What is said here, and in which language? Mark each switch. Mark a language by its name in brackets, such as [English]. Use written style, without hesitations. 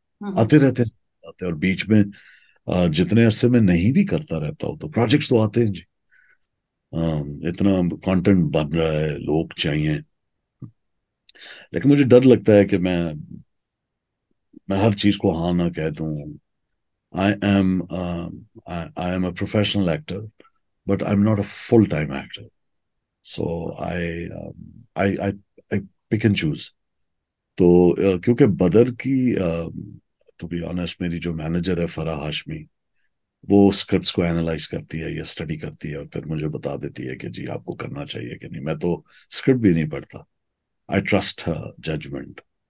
[Urdu] آتے رہتے ہیں آتے, اور بیچ میں جتنے عرصے میں نہیں بھی کرتا رہتا ہوں تو پروجیکٹس تو آتے ہیں جی. اتنا کانٹینٹ بن رہا ہے, لوگ چاہیے, لیکن مجھے ڈر لگتا ہے کہ میں ہر چیز کو ہاں نہ کہہ دوں. [English] I am a professional actor, but I'm not a full-time actor. So I pick and choose. [Urdu] تو کیونکہ بدر کی, [English] to be honest, [Urdu] میری جو مینیجر ہے فرح ہاشمی, وہ اسکرپٹس کو اینالائز کرتی ہے یا اسٹڈی کرتی ہے, اور پھر مجھے بتا دیتی ہے کہ جی آپ کو کرنا چاہیے کہ نہیں. میں تو اسکرپٹ بھی نہیں پڑھتا, [English] I trust her judgment.